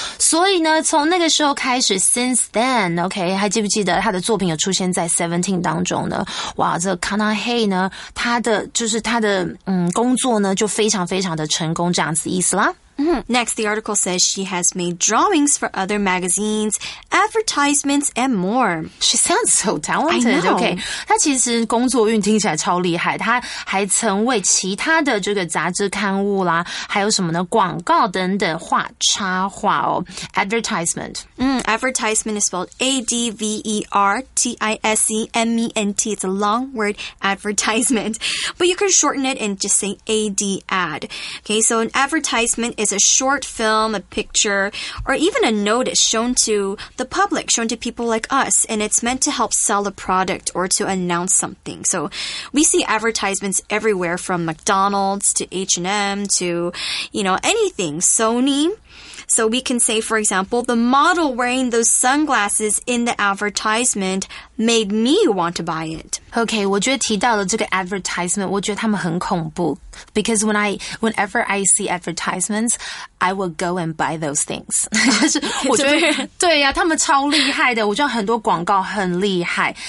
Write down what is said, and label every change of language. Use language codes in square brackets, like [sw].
[zh] 所以呢从那个时候开始 since then, OK, 还记不记得他的作品有出现在 Seventeen 当中呢哇这个 Kanahei 呢他的就是他的工作呢就非常非常的成功这样子意思啦。 [en] Next, the article says she has made drawings for other magazines, advertisements, and more. [zh] She sounds so talented. Okay, 她其实工作运听起来超厉害。她还曾为其他的这个杂志刊物啦，还有什么呢？广告等等画插画哦。Advertisement. [en] Advertisement is spelled advertisement. It's a long word, advertisement, but you can shorten it and just say ad. Okay, so an advertisement is a short film, a picture, or even a notice shown to the public, shown to people like us, and it's meant to help sell a product or to announce something. So we see advertisements everywhere from McDonald's to H&M to, you know, anything, Sony. So we can say, for example, the model wearing those sunglasses in the advertisement made me want to buy it. [zh] Okay, 我觉得提到了这个 advertisement, 我觉得他们很恐怖。 [en] Because whenever I see advertisements, I will go and buy those things. [zh] 就是我觉得对呀、啊、他们超厉害的我觉得很多广告很厉害。